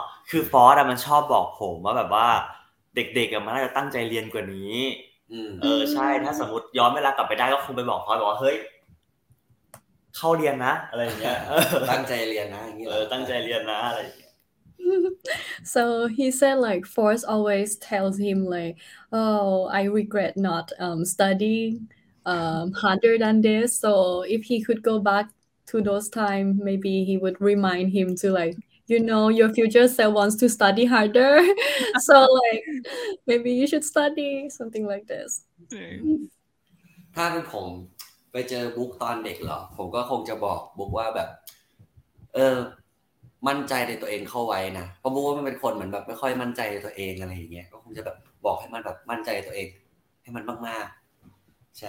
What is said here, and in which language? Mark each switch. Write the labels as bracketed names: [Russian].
[Thai] คือฟอสอะมันชอบบอกผมว่าแบบว่าเด็กๆอะมันน่าจะตั้งใจเรียนกว่านี้ เออใช่ถ้าสมมติย้อนเวลากลับไปได้ก็คงไปบอกฟอสบอกว่าเฮ้ยเข้าเรียนนะอะไรอย่างเงี้ย ตั้งใจเรียนนะอย่าง เ งี้ยตั้งใจเรียนนะอะไร [English] So he said, like, Force always tells him, like, oh, I regret not studying harder than this. So if he could go back to those times, maybe he would remind him to, like, you know, your future self wants to study harder. So, like, maybe you should study something like this. If I was to meet the book when I was young, I would probably tell the book that, [Thai] มั่นใจในตัวเองเข้าไว้นะเพราะบุ๊กว่ามันเป็นคนเหมือนแบบไม่ค่อยมั่นใจในตัวเองอะไรอย่างเงี้ยก็คงจะแบบบอกให้มันแบบมั่นใจในตัวเองให้มันมากๆใช